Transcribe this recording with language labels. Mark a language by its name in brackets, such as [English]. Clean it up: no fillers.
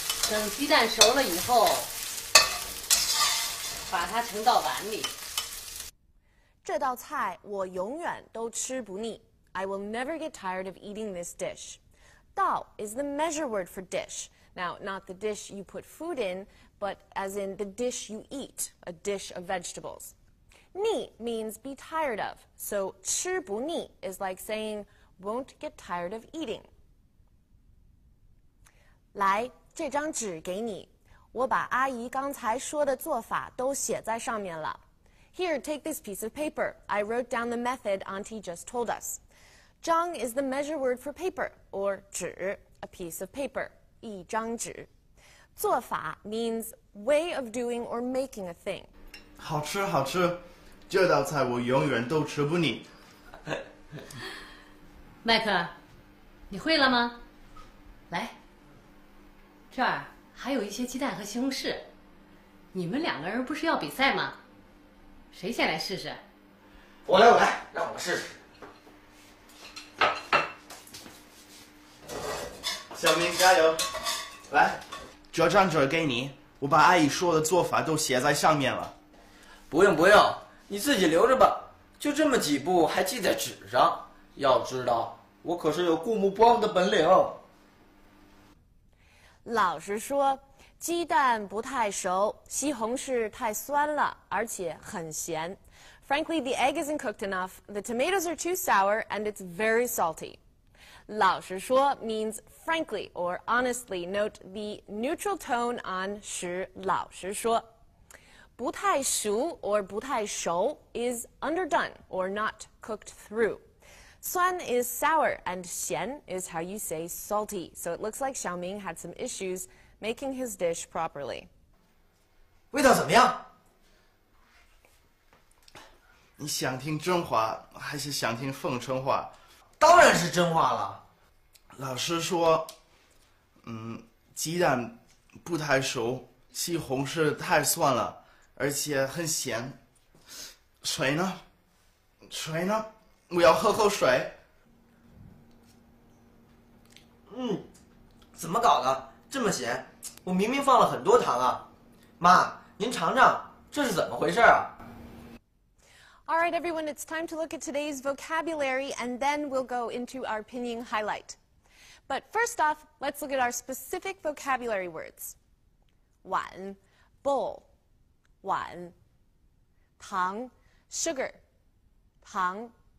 [Chinese] 等鸡蛋熟了以后，把它盛到碗里。这道菜我永远都吃不腻。 [English] I will never get tired of eating this dish. 倒 is the measure word for dish. Now, not the dish you put food in, but as in the dish you eat, a dish of vegetables. 腻 means be tired of. So [Chinese] 吃不腻 [English] is like saying won't get tired of eating. [Chinese] 来。这张纸给你，我把阿姨刚才说的做法都写在上面了。 [English] Here, take this piece of paper. I wrote down the method Auntie just told us. 张 is the measure word for paper, or 纸, a piece of paper, [Chinese] 一张纸。 [English] 做法 means way of doing or making a thing. [Chinese] 好吃好吃，这道菜我永远都吃不腻。麦克，你会了吗？来。这儿还有一些鸡蛋和西红柿，你们两个人不是要比赛吗？谁先来试试？我来，我来，让我试试。小明加油！来，这张纸给你，我把阿姨说的做法都写在上面了。不用不用，你自己留着吧。就这么几步，还记在纸上？要知道，我可是有过目不忘的本领。老实说，鸡蛋不太熟，西红柿太酸了，而且很咸。 [English] Frankly, the egg isn't cooked enough, the tomatoes are too sour, and it's very salty. [Chinese] 老实说 [English] means frankly or honestly. Note the neutral tone on [Chinese] 是老实说。不太熟 [English] or 不太熟 is underdone or not cooked through. 酸 is sour, and 咸 is how you say salty. So it looks like Xiaoming had some issues making his dish properly. [Chinese] 味道怎么样？你想听真话还是想听奉承话？当然是真话了。老师说，鸡蛋不太熟，西红柿太酸了，而且很咸。水呢？水呢？我要喝口水。怎么搞的？这么咸，我明明放了很多糖啊！妈，您尝尝，这是怎么回事啊 [English] ？All right, everyone, it's time to look at today's vocabulary, and then we'll go into our pinyin highlight. But first off, let's look at our specific vocabulary words. [Chinese] 碗 bowl, 碗，糖 sugar, 糖。